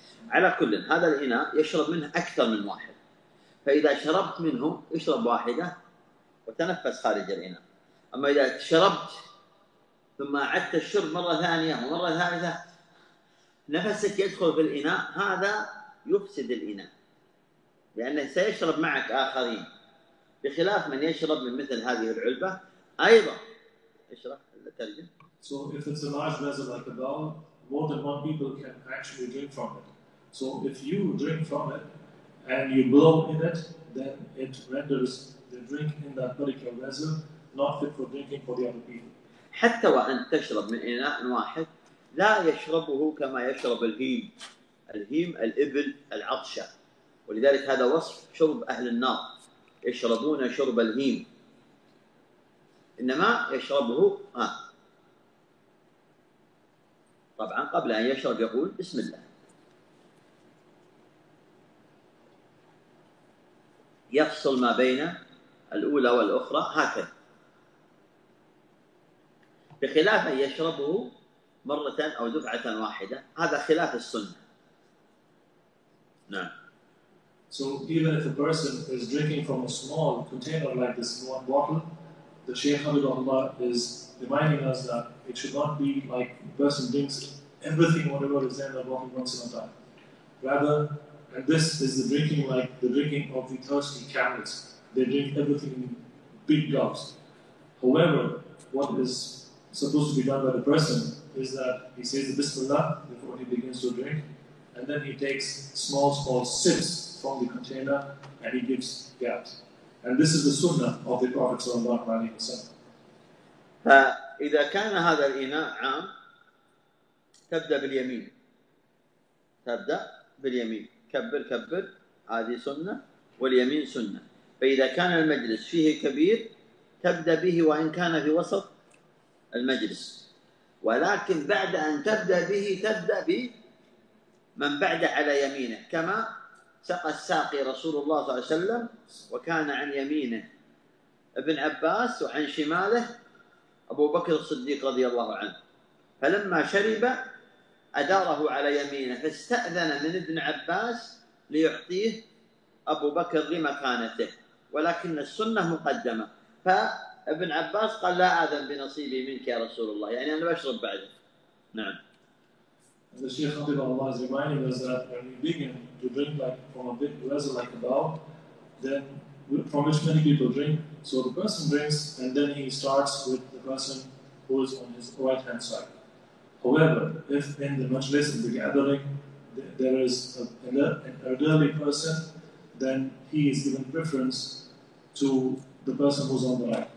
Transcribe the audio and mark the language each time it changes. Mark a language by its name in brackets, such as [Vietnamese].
[Arabic] على كل هذا الإناء يشرب منه أكثر من واحد، فإذا شربت منه يشرب واحدة وتنفس خارج الإناء، أما إذا شربت ثم عدت الشرب مرة ثانية ومرة ثالثة نفسك يدخل في الإناء، هذا يفسد الإناء لأنه سيشرب معك آخرين، بخلاف من يشرب من مثل هذه العلبة أيضا. اشرح الترجمة. [English] So if it's a large vessel like a bowl, more than one people can actually drink from it. So if you drink from it and you blow in it, then it renders the drink in that particular vessel not fit for drinking for the other people. [Arabic] حتى وأن تشرب من إناء واحد لا يشربه كما يشرب الهيم. الهيم الإبل العطشة. ولذلك هذا وصف شرب أهل النار. يشربون شرب الهيم. إنما يشربه طبعا قبل أن يشرب يقول بسم الله. يفصل ما بين الأولى والأخرى هكذا. بخلاف أن يشربه مرة أو دفعة واحدة هذا خلاف السنة. نعم. [English] So even if a person is drinking from a small container like this one bottle, the Shaykh Hamidullah is reminding us that it should not be like a person drinks everything whatever is in the bottle once in a time. Rather, and this is the drinking like the drinking of the thirsty camels. They drink everything in big gulps. However, what is supposed to be done by the person is that he says the Bismillah before he begins to drink, and then he takes small sips from the container and he gives gaps. And this is the sunnah of the Prophet sallallahu alaihi wasallam. [Arabic] فإذا كان هذا الإناء عام تبدأ باليمين. تبدأ باليمين. كبر كبر هذه سنة واليمين سنة. فإذا كان المجلس فيه كبير تبدأ به وإن كان في وسط المجلس، ولكن بعد أن تبدأ به تبدأ بمن بعد على يمينه، كما سقى الساقي رسول الله صلى الله عليه وسلم وكان عن يمينه ابن عباس وعن شماله أبو بكر الصديق رضي الله عنه، فلما شرب أداره على يمينه فاستأذن من ابن عباس ليعطيه أبو بكر لمكانته، ولكن السنة مقدمة. فابن عباس قال لا أذن بنصيبي منك يا رسول الله، يعني أنا بشرب بعده. نعم. [English] The Shaykh Hafidhullah is reminding us that when we begin to drink like from a big vessel like a bowl, then from which many people drink, so the person drinks and then he starts with the person who is on his right hand side. However, if in the majlis, in the gathering, there is an elderly person, then he is given preference to the person who's on the right.